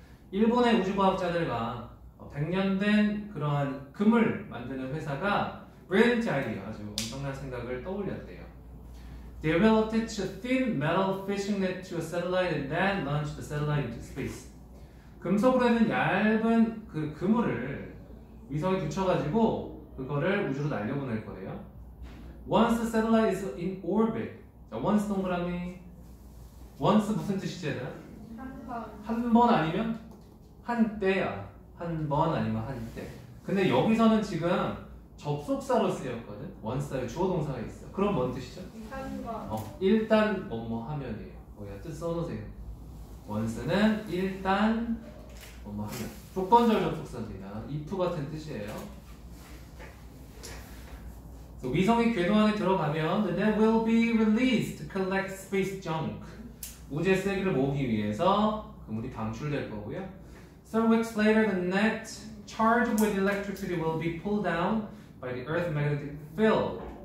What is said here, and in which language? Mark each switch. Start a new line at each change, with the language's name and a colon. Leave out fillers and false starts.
Korean: 일본의 우주과학자들과 100년 된 그러한 금을 만드는 회사가
English: brilliant idea,
Korean: 아주 엄청난 생각을 떠올렸대요.
English: They relocated a thin metal fishing net to a satellite and then launched the satellite into space.
Korean: 금속으로 된 얇은 그 그물을 위성에 붙여가지고 그거를 우주로 날려보낼 거예요.
English: Once the satellite is in orbit,
Korean: 자,
English: once
Korean: 동그라미,
English: once
Korean: 무슨 뜻이지? 한 번 아니면 한 때야. 한 번 아니면 한 때. 근데 여기서는 지금 접속사로 쓰였거든. once의 주어 동사가 있어. 그럼 뭔 뜻이죠? 일단 뭐뭐 하면이에요. 거기다 뜻 써놓으세요. once는 일단 뭐뭐 하면. 조건절 접속사입니다. if 같은 뜻이에요.
English: So,
Korean: 위성이 궤도 안에 들어가면
English: the net will be released to collect space junk.
Korean: 우주 쓰레기를 모으기 위해서 그물이 방출될 거고요.
English: Some weeks later, the net charged with electricity will be pulled down by the Earth magnetic field.